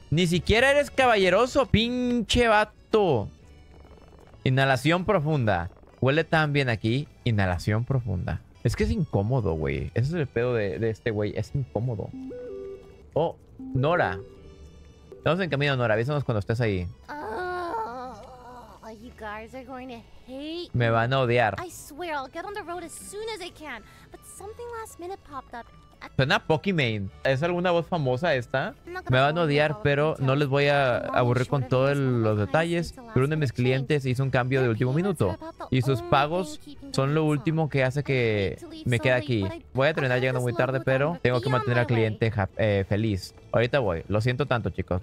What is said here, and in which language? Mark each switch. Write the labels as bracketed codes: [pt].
[es] ¡Ni siquiera eres caballeroso, pinche vato! Inhalación profunda. Huele tan bien aquí. Inhalación profunda. Es que es incómodo, güey. Ese es el pedo de este güey. Es incómodo. Oh, Nora. Estamos en camino, Nora. Avísanos cuando estés ahí. [en] Oh, you guys are going to hate me. [es] Me van a odiar. [en] I swear, I'll get on the road as soon as I can. But something last minute popped up. [es] Suena Pokimane. ¿Es alguna voz famosa esta? Me van a odiar, pero no les voy a aburrir con todos los detalles. Pero uno de mis clientes hizo un cambio de último minuto. Y sus pagos son lo último que hace que me quede aquí. Voy a terminar llegando muy tarde, pero tengo que mantener al cliente feliz. Ahorita voy. Lo siento tanto, chicos.